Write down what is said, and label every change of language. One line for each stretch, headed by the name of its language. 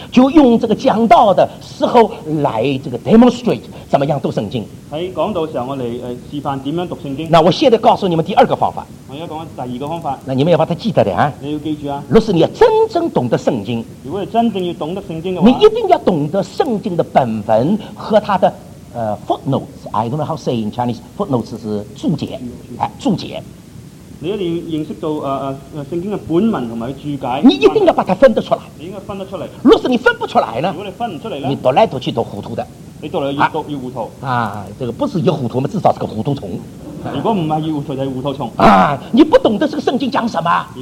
Chinese: 就用这个讲道的时候来这个 demonstrate 怎么样读圣经。在讲道的时候我来示范怎样读圣经。那我现在告诉你们第二个方法。我现在讲第二个方法，那你们要把它记得的啊。你要记住啊，若是你要真正懂得圣经，如果你真正要懂得圣经的话，你一定要懂得圣经的本文和它的footnotes。
English: I don't know how to say in Chinese footnotes
Chinese: 是注解，注解。你一定认识到圣经的本文和注解，你一定要把它分得出来。你应该分得出来。若是你分不出来呢？如果你分不出来呢？你读来读去都糊涂的。你读来越读越糊涂。啊，这个不是越糊涂嘛，至少是个糊涂虫。如果不是越糊涂，就是糊涂虫。啊，你不懂得这个圣经讲什么？